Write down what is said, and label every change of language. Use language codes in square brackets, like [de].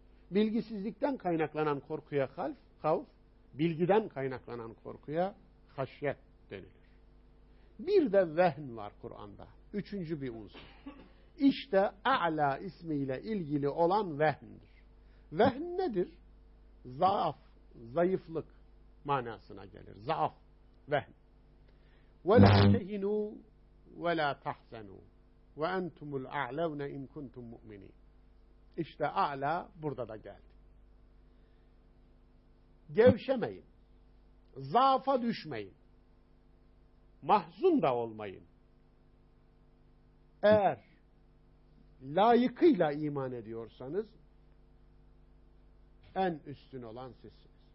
[tr] Bilgisizlikten kaynaklanan korkuya havf, havf, bilgiden kaynaklanan korkuya haşyet denilir. Bir de vehn var Kur'an'da. Üçüncü bir unsur. İşte a'la ismiyle ilgili olan vehndir. Vehn nedir? Zaaf, zayıflık manasına gelir. Zaaf, vehn. [ar] وَلَا تَهِنُوا وَلَا تَحْزَنُوا وَاَنْتُمُ الْاَعْلَوْنَ اِنْ كُنْتُمْ مُؤْمِنِينَ [tr] İşte a'la burada da geldi. Gevşemeyin, zaafa düşmeyin, mahzun da olmayın. Eğer layıkıyla iman ediyorsanız, en üstün olan sizsiniz.